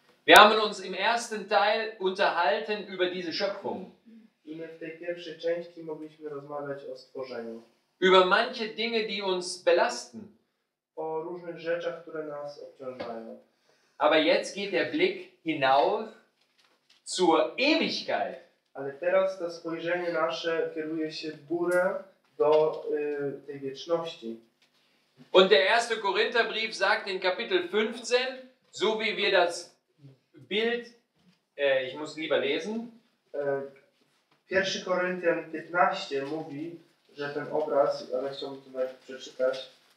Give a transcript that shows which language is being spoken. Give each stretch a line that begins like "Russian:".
German: Wir haben uns im ersten Teil unterhalten über diese Schöpfung.
Polish: I my w tej pierwszej części mogliśmy rozmawiać o stworzeniu.
German: Über manche Dinge, die uns belasten.
Polish: O różnych rzeczach, które nas obciążają.
German: Aber jetzt geht der Blick hinauf zur Ewigkeit.
Polish: Ale teraz to spojrzenie nasze kieruje się w górę do tej wieczności.
German: Und der erste Korintherbrief sagt in Kapitel 15, so wie wir das Bild, ich muss lieber lesen.
Polish: 1 Korinther 15 mówi, że ten obraz, ale chciałbym to nawet przeczytać.